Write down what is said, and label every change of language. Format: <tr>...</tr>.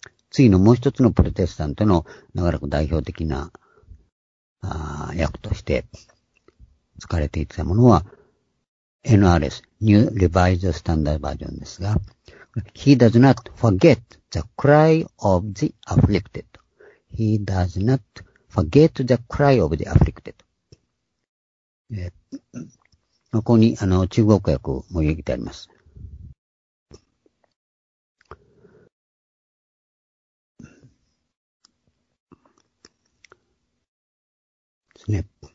<ja>次のもう一つのプロテスタントの長らく代表的な訳として使われていたものは NRS、New Revised Standard Version ですが、</ja> <en>He does not forget the cry of the afflicted. He does not forget the cry of the afflicted.</en> <ja>ここに中国訳も入れてあります。ですね。</ja>